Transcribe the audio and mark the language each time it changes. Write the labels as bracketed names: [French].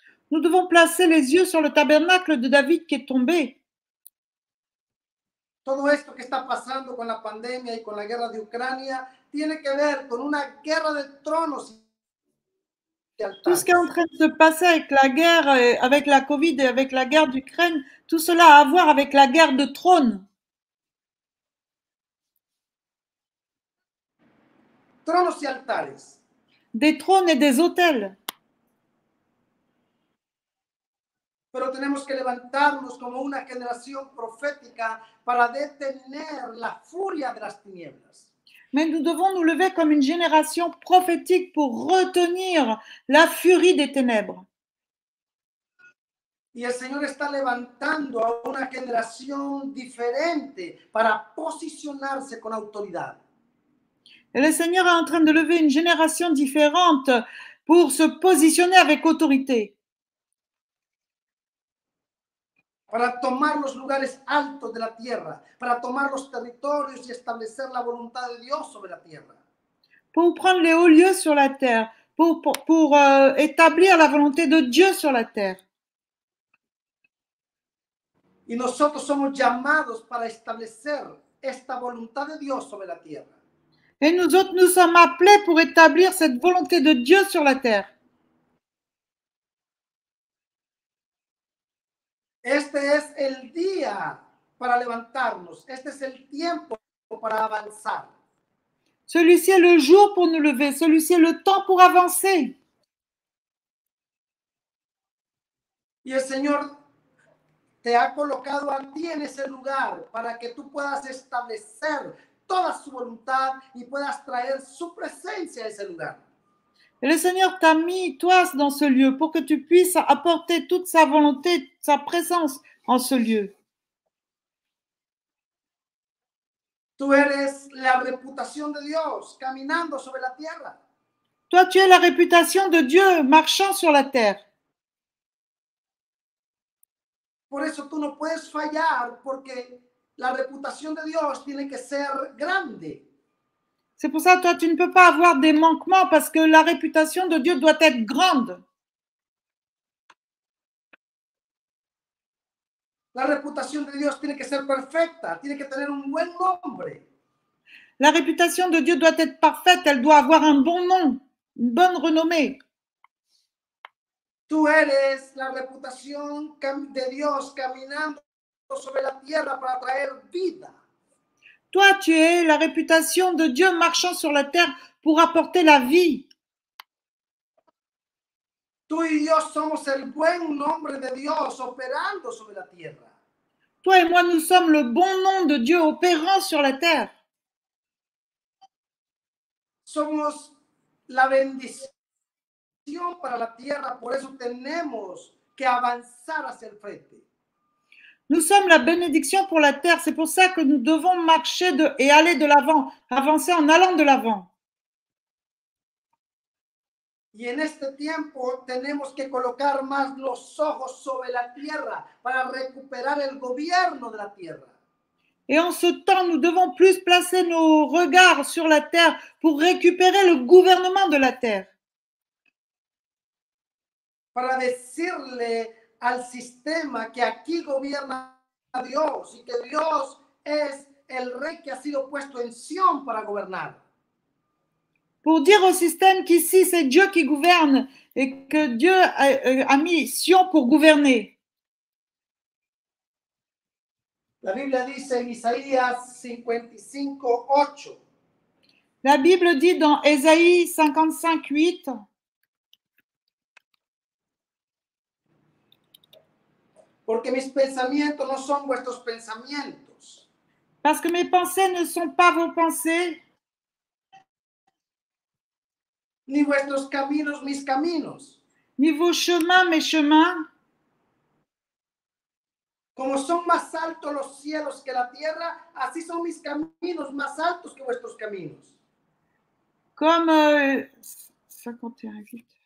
[French] Nous devons placer les yeux sur le tabernacle de David qui est tombé. [Spanish] Todo esto que está pasando con la pandemia y con la guerra de Ucrania tiene que ver con una guerra de tronos. [French] Tout ce qui est en train de se passer avec la guerre, avec la COVID et avec la guerre d'Ukraine, tout cela a à voir avec la guerre de trônes. [Spanish] Tronos y altares. [French] Des trônes et des autels. [Spanish] Pero tenemos que levantarnos como una generación profética para detener la furia de las tinieblas. [French] Mais nous devons nous lever comme une génération prophétique pour retenir la furie des ténèbres. [Spanish] Y el Señor está levantando a una generación diferente para posicionarse con autoridad. [French] Et le Seigneur est en train de lever une génération différente pour se positionner avec autorité. [Spanish] Para tomar los lugares altos de la tierra, para tomar los territorios y establecer la voluntad de Dios sobre la tierra. [French] Pour prendre les hauts lieux sur la terre, pour établir la volonté de Dieu sur la terre. [Spanish] Y nosotros somos llamados para establecer esta voluntad de Dios sobre la tierra. [French] Et nous autres, nous sommes appelés pour établir cette volonté de Dieu sur la terre. [Spanish] Este es el día para levantarnos. Este es el tiempo para avanzar. [French] Celui-ci est le jour pour nous lever. Celui-ci est le temps pour avancer. [Spanish] Y el Señor te ha colocado a ti en ese lugar para que tú puedas establecer toda su voluntad y puedas traer su presencia a ese lugar. [French] Et le Seigneur t'a mis toi dans ce lieu pour que tu puisses apporter toute sa volonté, sa présence en ce lieu. [Spanish] Tú eres la reputación de Dios caminando sobre la tierra. [French] Toi, tu es la réputation de Dieu marchant sur la terre. [Spanish] Por eso tú no puedes fallar porque la reputación de Dios tiene que ser grande. [French] C'est pour ça que toi, tu ne peux pas avoir des manquements parce que la réputation de Dieu doit être grande. La réputation de Dieu [Spanish] tiene que ser perfecta, tiene que tener un buen nombre. [French] La réputation de Dieu doit être parfaite, elle doit avoir un bon nom, une bonne renommée. [Spanish] Tú eres la reputación de Dios caminando sobre la tierra para traer vida. [French] Toi, tu es la réputation de Dieu marchant sur la terre pour apporter la vie. [Spanish] Tú y yo somos el buen nombre de Dios operando sobre la tierra. [French] Toi et moi, nous sommes le bon nom de Dieu opérant sur la terre. [Spanish] Somos la bendición para la tierra, por eso tenemos que avanzar hacia el frente. [French] Nous sommes la bénédiction pour la terre, c'est pour ça que nous devons marcher de, et aller de l'avant, avancer en allant de l'avant. [Spanish] Y en este tiempo tenemos que colocar más los ojos sobre la tierra para recuperar el gobierno de la tierra. [French] Et en ce temps, nous devons plus placer nos regards sur la terre pour récupérer le gouvernement de la terre. [Spanish] Para decirle al sistema que aquí gobierna a Dios y que Dios es el rey que ha sido puesto en Sion para gobernar. [French] Pour dire au système qu'ici c'est Dieu qui gouverne et que Dieu a, a mis Sion pour gouverner. La Bible dit en Isaïe 55:8. La Bible dit dans Ésaïe 55:8. [Spanish] Porque mis pensamientos no son vuestros pensamientos. [French] Parce que mes pensées ne sont pas vos pensées. [Spanish] Ni vuestros caminos, mis caminos. [French] Ni vos chemins, mes chemins. [Spanish] Como son más altos los cielos que la tierra, así son mis caminos más altos que vuestros caminos. [French] Comme 51:8.